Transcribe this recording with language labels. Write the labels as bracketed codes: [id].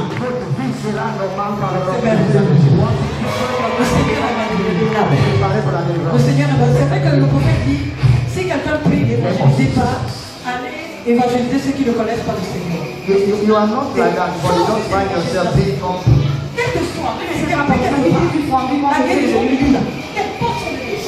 [fr] Le Seigneur a c'est vrai que le prophète dit, si quelqu'un prie, ne prie pas, allez évangéliser ceux qui ne connaissent pas le Seigneur. [en] You are not like that, but you don't find yourself being comfortable. [fr] Quelque soit, même si tu n'as pas quelque chose, tu prends des mots, tu